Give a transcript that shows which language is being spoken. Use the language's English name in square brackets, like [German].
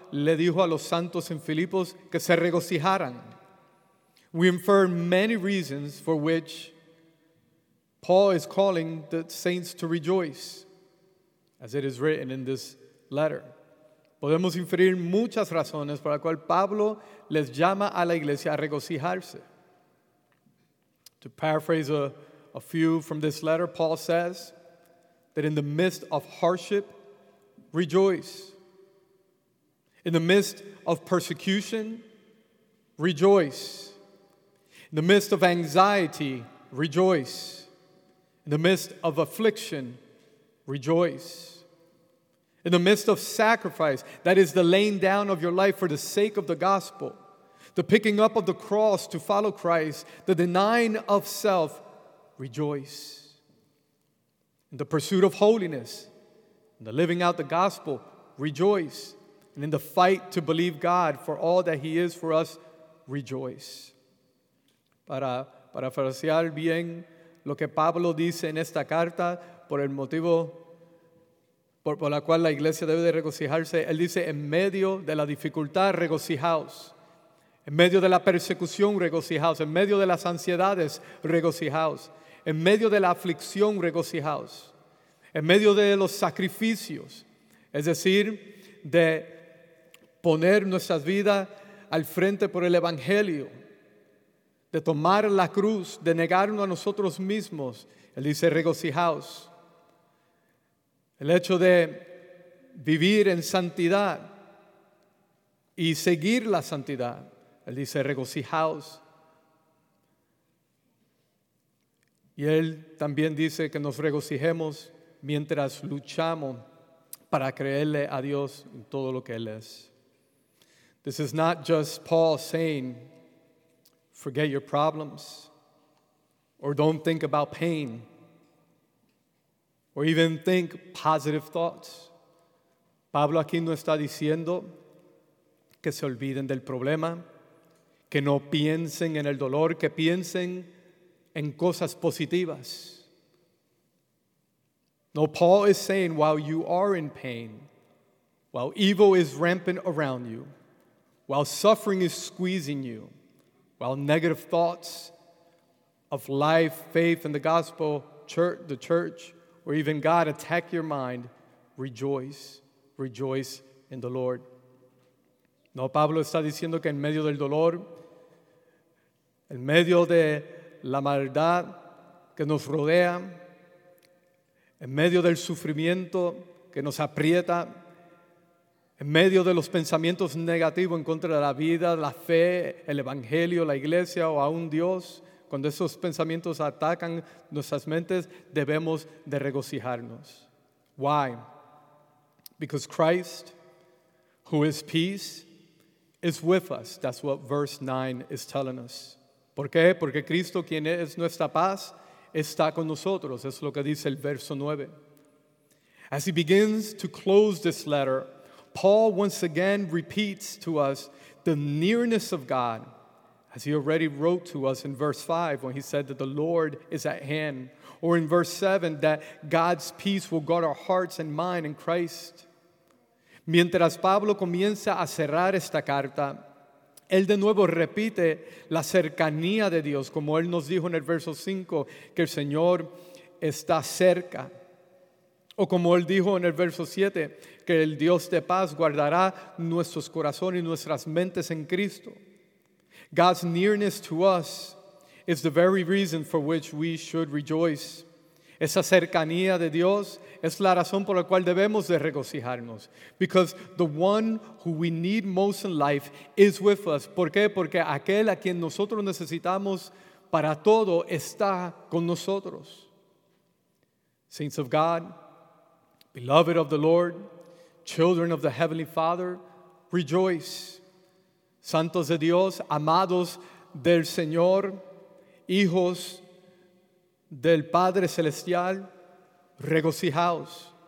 [Spanish] le dijo a los santos en Filipos que se regocijaran. [English] We infer many reasons for which Paul is calling the saints to rejoice, as it is written in this letter. [Spanish] Podemos inferir muchas razones por las cuales Pablo les llama a la iglesia a regocijarse. [English] To paraphrase a few from this letter, Paul says that in the midst of hardship, rejoice. In the midst of persecution, rejoice. In the midst of anxiety, rejoice. In the midst of affliction, rejoice. In the midst of sacrifice, that is the laying down of your life for the sake of the gospel, the picking up of the cross to follow Christ, the denying of self, rejoice. In the pursuit of holiness, in the living out the gospel, rejoice. And in the fight to believe God for all that he is for us, rejoice. [Spanish] Para parafrasear bien lo que Pablo dice en esta carta, por el motivo por la cual la iglesia debe de regocijarse, él dice, en medio de la dificultad, regocijaos. En medio de la persecución, regocijaos. En medio de las ansiedades, regocijaos. En medio de la aflicción, regocijaos. En medio de los sacrificios, es decir, de poner nuestras vidas al frente por el evangelio, de tomar la cruz, de negarnos a nosotros mismos. Él dice, regocijaos. El hecho de vivir en santidad y seguir la santidad. Él dice, regocijaos. Y él también dice que nos regocijemos mientras luchamos para creerle a Dios en todo lo que Él es. [English] This is not just Paul saying, forget your problems, or don't think about pain, or even think positive thoughts. [Spanish] Pablo aquí no está diciendo que se olviden del problema, que no piensen en el dolor, que piensen en cosas positivas. [English] No, Paul is saying, while you are in pain, while evil is rampant around you, while suffering is squeezing you, while negative thoughts of life, faith, and the gospel, church, the church, or even God attack your mind, rejoice, rejoice in the Lord. [Spanish] No, Pablo está diciendo que en medio del dolor, en medio de la maldad que nos rodea, en medio del sufrimiento que nos aprieta, en medio de los pensamientos negativos en contra de la vida, la fe, el evangelio, la iglesia o aún Dios, cuando esos pensamientos atacan nuestras mentes, debemos de regocijarnos. [English] Why? Because Christ, who is peace, is with us. That's what verse 9 is telling us. [Spanish] ¿Por qué? Porque Cristo, quien es nuestra paz, está con nosotros. Es lo que dice el verso 9. [English] As he begins to close this letter, Paul once again repeats to us the nearness of God, as he already wrote to us in verse 5 when he said that the Lord is at hand, or in verse 7 that God's peace will guard our hearts and mind in Christ. [Spanish] Mientras Pablo comienza a cerrar esta carta, él de nuevo repite la cercanía de Dios, como él nos dijo en el verso 5, que el Señor está cerca. O como él dijo en el verso 7, que el Dios de paz guardará nuestros corazones y nuestras mentes en Cristo. [English] God's nearness to us is the very reason for which we should rejoice. [Spanish] Esa cercanía de Dios es la razón por la cual debemos de regocijarnos. [English] Because the one who we need most in life is with us. [Spanish] ¿Por qué? Porque aquel a quien nosotros necesitamos para todo está con nosotros. [English] Saints of God, beloved of the Lord, children of the Heavenly Father, rejoice. [Spanish] Santos de Dios, amados del Señor, hijos del Padre Celestial, regocijaos.